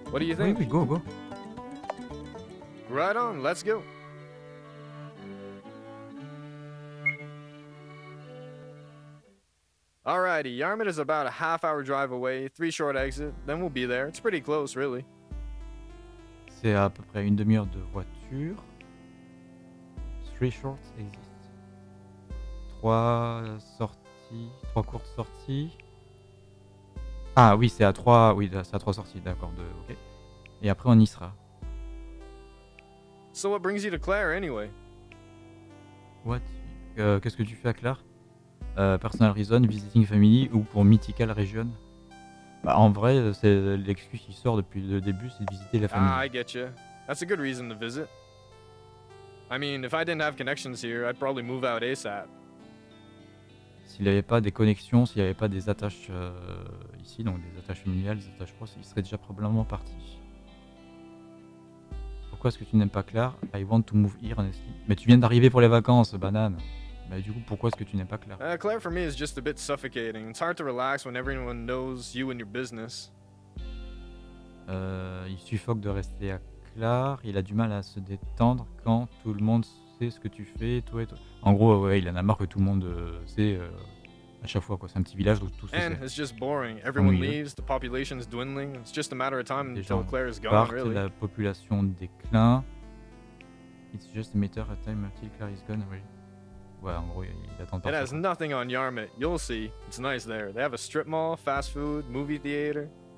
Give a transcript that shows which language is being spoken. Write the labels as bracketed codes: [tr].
[en] What do you think? [fr] Oui, go. [en] Right on, let's go. Alrighty, Yarmouth is about a half hour drive away, 3 short exits, then we'll be there. It's pretty close, really. [fr] C'est à peu près une demi-heure de voiture. 3 short exits. 3 sorties. 3 courtes sorties. Ah oui, c'est à 3. Oui, c'est à 3 sorties, d'accord. De, okay. Et après, on y sera. [en] So what brings you to Clare, anyway? What? [fr] Qu'est-ce que tu fais à Clare? [en] Personal reason, visiting family [fr] ou pour [en] mythical region? [fr] Bah, en vrai, c'est l'excuse qui sort depuis le début, c'est de visiter la famille. [en] Ah, I get you. That's a good reason to visit. I mean, if I didn't have connections here, I'd probably move out ASAP. [fr] S'il n'y avait pas des connexions, s'il n'y avait pas des attaches ici, donc des attaches familiales, des attaches proches, il serait déjà probablement parti. Pourquoi est-ce que tu n'aimes pas Clare? [en] I want to move here, honestly. [fr] Mais tu viens d'arriver pour les vacances, banane. Mais du coup, pourquoi est-ce que tu n'aimes pas Clare? [en] Clare for me is just a bit suffocating. It's hard to relax when everyone knows you and your business. [fr] Il suffoque de rester à Clare. Il a du mal à se détendre quand tout le monde sait ce que tu fais, toi et toi. En gros, ouais, il en a marre que tout le monde sait à chaque fois, quoi. C'est un petit village où tout se sait. [en] It's just boring. Everyone leaves, the population is dwindling. It's just a matter of time until Clare is gone, really. [fr] La population décline. [en] It's just a matter of time until Clare is gone, really. [fr] Ouais, en gros, il attend pas. [en] It has nothing on Yarmouth. You'll see. It's nice there. They have a strip mall, fast food, movie theater.